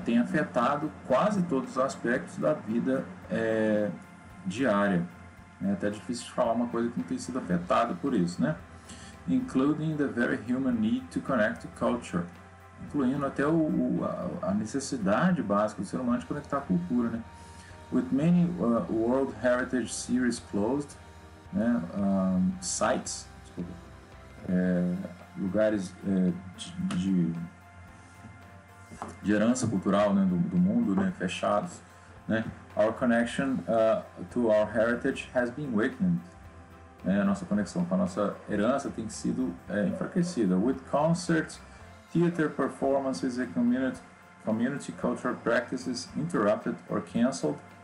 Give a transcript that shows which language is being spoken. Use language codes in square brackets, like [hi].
[pt] Tem afetado quase todos os aspectos da vida diária. É até difícil de falar uma coisa que não tenha sido afetada por isso, né? [en] Including the very human need to connect to culture. [pt] Incluindo até a necessidade básica do ser humano de conectar a cultura, né? [en] With many World Heritage Series closed, [pt] né? Sites, desculpa, lugares de herança cultural, né? do mundo, né? Fechados, né? [en] Our connection to our heritage has been weakened. [pt] Né? A nossa conexão com a nossa herança tem sido enfraquecida. [en] With concerts, theater performances and community cultural practices interrupted or canceled.